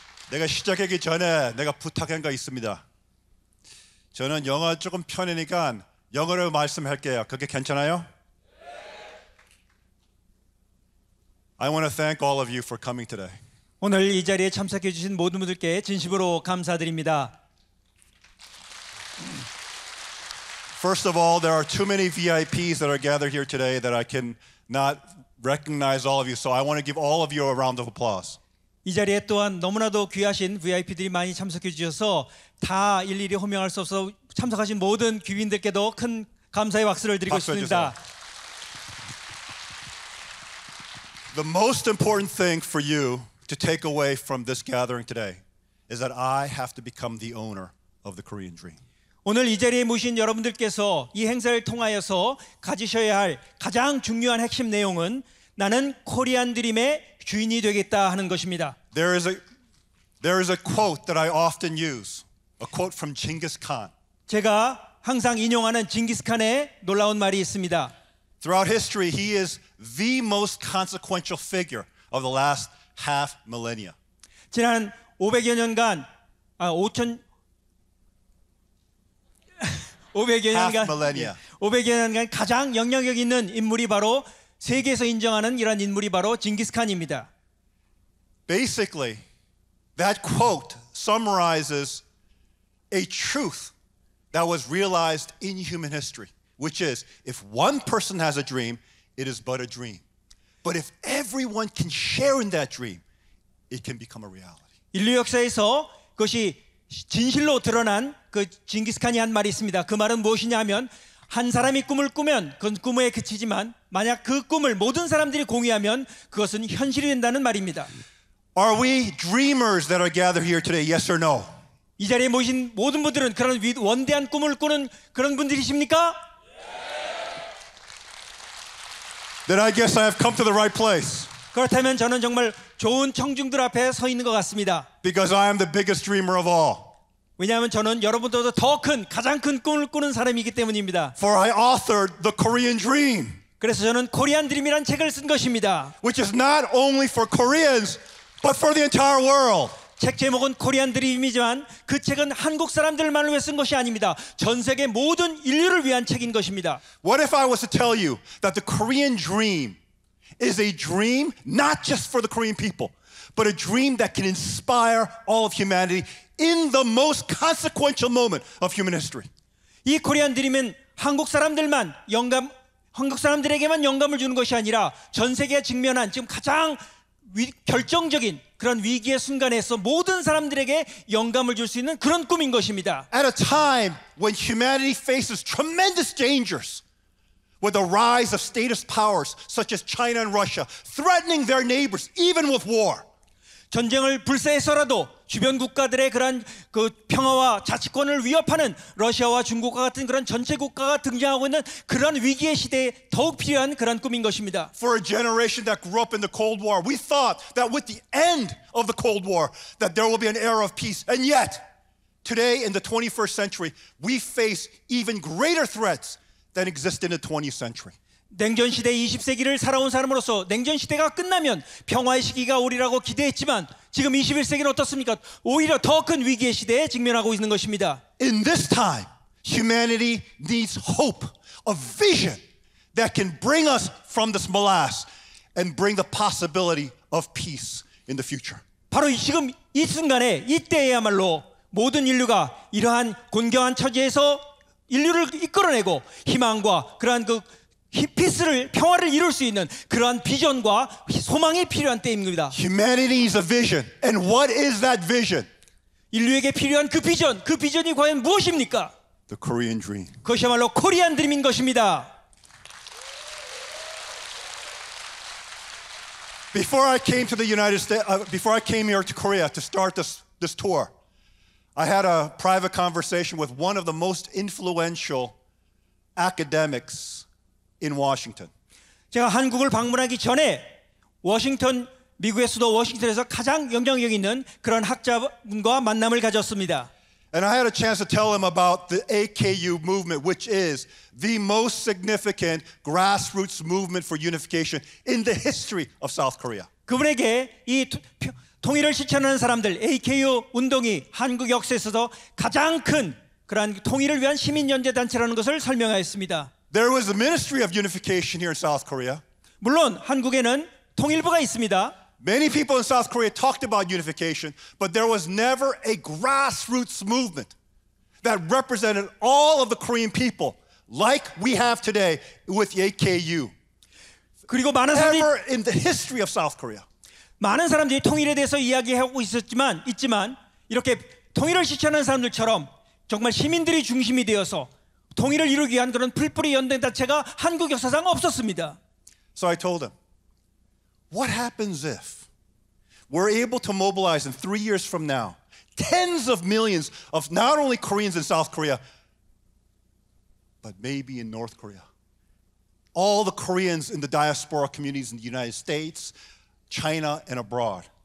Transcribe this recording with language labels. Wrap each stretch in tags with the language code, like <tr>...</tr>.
<ko>내가 시작하기 전에 내가 부탁한 거 있습니다. 저는 영어 조금 편하니까 영어로 말씀할게요. 그게 괜찮아요?</ko> <en>I want to thank all of you for coming today.</en> <ko>오늘 이 자리에 참석해 주신 모든 분들께 진심으로 감사드립니다.</ko> <en>First of all, there are too many VIPs that are gathered here today that I cannot recognize all of you. So I want to give all of you a round of applause.</en> <ko>이 자리에 또한 너무나도 귀하신 VIP들이 많이 참석해 주셔서 다 일일이 호명할 수 없어 참석하신 모든 귀빈들께도 큰 감사의 박수를 드리고 싶습니다.</ko> <en>The most important thing for you to take away from this gathering today is that I have to become the owner of the Korean dream.</en> <ko>오늘 이 자리에 모신 여러분들께서 이 행사를 통하여서 가지셔야 할 가장 중요한 핵심 내용은 나는 코리안 드림의 주인이 되겠다 하는 것입니다.</ko> <en>There is a quote that I often use, a quote from Genghis Khan.</en> <ko>제가 항상 인용하는 징기스칸의 놀라운 말이 있습니다.</ko> <en>Throughout history, he is the most consequential figure of the last half millennia.</en> <ko>지난 500여 년간 아 5000 500여 년간 가장 영향력 있는 인물이 바로 세계에서 인정하는 이런 인물이 바로 징기스칸입니다.</ko> <en>Basically, that quote summarizes a truth that was realized in human history, which is, if one person has a dream, it is but a dream. But if everyone can share in that dream, it can become a reality.</en> <ko>인류 역사에서 그것이 진실로 드러난 그 징기스칸이 한 말이 있습니다. 그 말은 무엇이냐 하면 한 사람이 꿈을 꾸면 그건 꿈에 그치지만 만약 그 꿈을 모든 사람들이 공유하면 그것은 현실이 된다는 말입니다.</ko> <en>Are we dreamers that are gathered here today? Yes or no?</en> <ko>이 자리에 모신 모든 분들은 그런 원대한 꿈을 꾸는 그런 분들이십니까?</ko> <en>Then I guess I have come to the right place.</en> <ko>그렇다면 저는 정말 좋은 청중들 앞에 서 있는 것 같습니다.</ko> <en>Because I am the biggest dreamer of all.</en> <ko>왜냐하면 저는 여러분들보다 더 큰, 가장 큰 꿈을 꾸는 사람이기 때문입니다.</ko> <en>For I authored the Korean dream.</en> <ko>그래서 저는 코리안 드림이라는 책을 쓴 것입니다.</ko> <en>Which is not only for Koreans, but for the entire world.</en> <ko>책 제목은 코리안 드림이지만 그 책은 한국 사람들만을 위해 쓴 것이 아닙니다. 전 세계 모든 인류를 위한 책인 것입니다.</ko> <en>What if I was to tell you that the Korean dream is a dream not just for the Korean people, but a dream that can inspire all of humanity in the most consequential moment of human history?</en> <ko>이 코리안 드림은 한국 사람들만 영감, 한국 사람들에게만 영감을 주는 것이 아니라 전 세계에 직면한 지금 가장 결정적인 그런 위기의 순간에서 모든 사람들에게 영감을 줄 수 있는 그런 꿈인 것입니다.</ko> <en>At a time when humanity faces tremendous dangers with the rise of statist powers such as China and Russia threatening their neighbors even with war.</en> <ko>전쟁을 불사해서라도 주변 국가들의 그런 그 평화와 자치권을 위협하는 러시아와 중국과 같은 그런 전체 국가가 등장하고 있는 그런 위기의 시대에 더욱 필요한 그런 꿈인 것입니다.</ko> <en>For a generation that grew up in the Cold War, we thought that with the end of the Cold War that there will be an era of peace. And yet, today in the 21st century, we face even greater threats than existed in the 20th century.</en> <ko>냉전 시대 20세기를 살아온 사람으로서 냉전 시대가 끝나면 평화의 시기가 오리라고 기대했지만 지금 21세기는 어떻습니까? 오히려 더 큰 위기의 시대에 직면하고 있는 것입니다.</ko> <en>In this time, humanity needs hope, a vision that can bring us from this morass and bring the possibility of peace in the future.</en> <ko>바로 지금 이 순간에 이때야말로 모든 인류가 이러한 곤경한 처지에서 인류를 이끌어내고 희망과 그러한 그 히피스를 평화를 이룰 수 있는 그러한 비전과 소망이 필요한 때입니다.</ko> <en>Humanity is a vision, and what is that vision?</en> <ko>인류에게 필요한 그 비전이 과연 무엇입니까?</ko> <en>The Korean dream.</en> <ko>그것이야말로 코리안 드림인 것입니다.</ko> <en>Before I came to the United States, before I came here to Korea to start this tour, I had a private conversation with one of the most influential academics. In Washington.</en> <ko>제가 한국을 방문하기 전에 워싱턴 미국의 수도 워싱턴에서 가장 영향력 있는 그런 학자분과 만남을 가졌습니다.</ko> <en>And I had a chance to tell him about the AKU movement, which is the most significant grassroots movement for unification in the history of South Korea.</en> <ko>그분에게 이 통일을 실천하는 사람들, AKU 운동이 한국 역사에서도 가장 큰 그런 통일을 위한 시민 연대 단체라는 것을 설명하였습니다.</ko> <en>There was a ministry of unification here in South Korea.</en> <ko>물론 한국에는 통일부가 있습니다.</ko> <en>Many people in South Korea talked about unification, but there was never a grassroots movement that represented all of the Korean people like we have today with AKU.</en> <ko>그리고 많은 사람들이</ko> <en>Ever in the history of South Korea.</en> <ko>많은 사람들이 통일에 대해서 이야기하고 있지만 이렇게 통일을 실천하는 사람들처럼 정말 시민들이 중심이 되어서 통일을 이루기 위한 그런 풀뿌리 연대 단체가 한국 역사상 없었습니다.</ko> <en>So I told him, what happens if we're able to mobilize in 3 years from now tens of millions of not only Koreans in South Korea, but maybe in North Korea? All the Koreans in the diaspora communities in the United States, China, and abroad.</en>